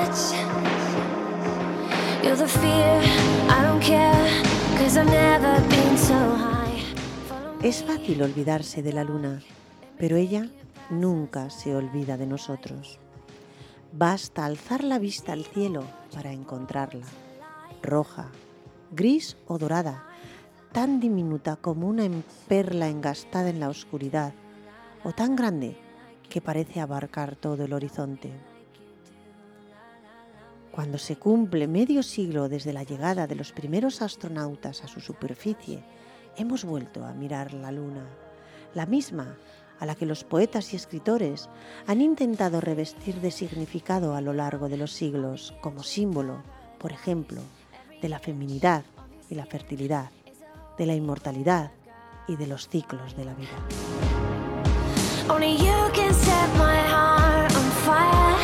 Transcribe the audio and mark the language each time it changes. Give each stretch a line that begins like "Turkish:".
English: You're the fear, I don't care, 'cause I've never been so high.
Spanish: Es fácil olvidarse de la luna, pero ella nunca se olvida de nosotros. Basta alzar la vista al cielo para encontrarla. Roja, gris o dorada, tan diminuta como una perla engastada en la oscuridad, o tan grande que parece abarcar todo el horizonte. Cuando se cumple medio siglo desde la llegada de los primeros astronautas a su superficie, hemos vuelto a mirar la luna, la misma a la que los poetas y escritores han intentado revestir de significado a lo largo de los siglos como símbolo, por ejemplo, de la feminidad y la fertilidad, de la inmortalidad y de los ciclos de la vida.
English: Only you can set my heart on fire.